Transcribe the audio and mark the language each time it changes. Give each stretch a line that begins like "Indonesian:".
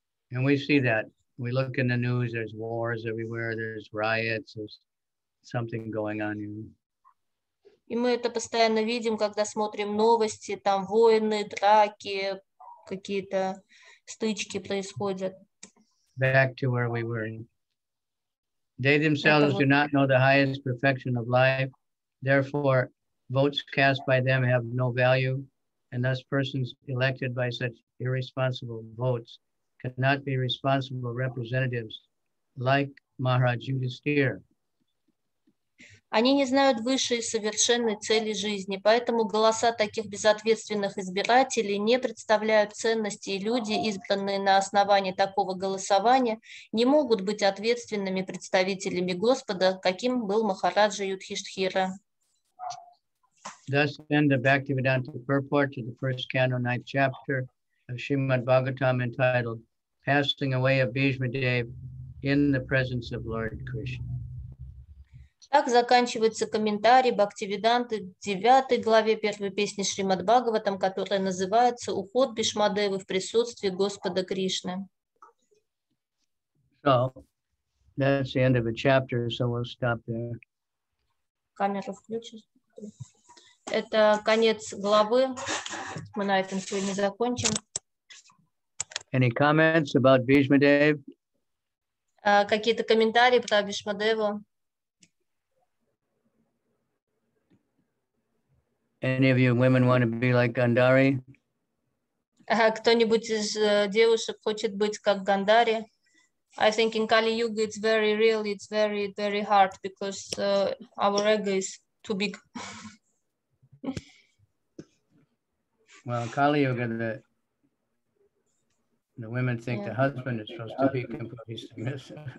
English: And we see that. We look in the news, there's wars everywhere, there's riots, there's something going on.
Russian: И мы это постоянно видим, когда смотрим новости, там войны, драки, какие-то стычки происходят.
English: Back to where we were. They themselves do not know the highest perfection of life, therefore votes cast by them have no value, and thus persons elected by such irresponsible votes cannot be responsible representatives like Maharaj Yudhisthira.
Russian: Они не знают высшей совершенной цели жизни, поэтому голоса таких безответственных избирателей не представляют ценности, и люди, избранные на основании такого голосования, не могут быть ответственными представителями Господа, каким был Махараджа Юдхиштхира.
English: Thus then the Bhaktivedanta purport to the first canto, ninth chapter of Srimad Bhagavatam entitled Passing Away of Bhishma Dev in the Presence of Lord Krishna.
Russian: Так заканчивается комментарий Бхактивиданты в 9 главе первой песни Шримад Бхагаватам, которая называется «Уход Бишмадевы в присутствии Господа Кришны».
English: So, that's the end of the chapter, so we'll stop there.
Russian: Камеру включишь? Это конец главы. Мы на этом сегодня закончим.
English: Any comments about Bhishma Dev?
Russian: Какие-то комментарии про Бишмадеву?
English: Any of you women want to be like Gandhari?
Russian: Кто-нибудь из девушек хочет быть как Гандхари?
English: I think in Kali Yuga it's very real, it's very, very hard because our ego is too big. Well, Kali Yuga, the women think the husband is supposed to be completely submissive.